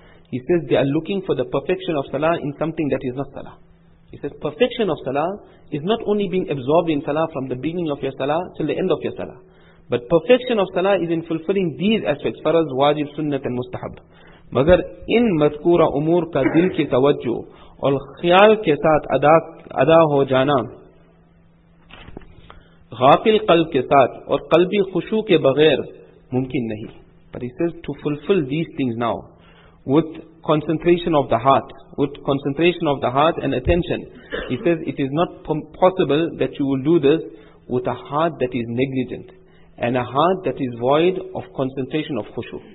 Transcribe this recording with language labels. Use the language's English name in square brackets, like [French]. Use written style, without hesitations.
[English] He says they are looking for the perfection of salah in something that is not salah. He says perfection of salah is not only being absorbed in salah from the beginning of your salah till the end of your salah, but perfection of salah is in fulfilling these aspects, faraz, wajib, sunnat and mustahab. [Urdu] مگر ان مذکورہ امور کا دل کی توجہ اور خیال کے ساتھ ادا ہو جانا غافل قلب کے ساتھ اور قلبی خشوع کے بغیر ممکن نہیں. [English] But he says to fulfill these things now with concentration of the heart, with concentration of the heart and attention, he says it is not possible that you will do this with a heart that is negligent and a heart that is void of concentration of khushu.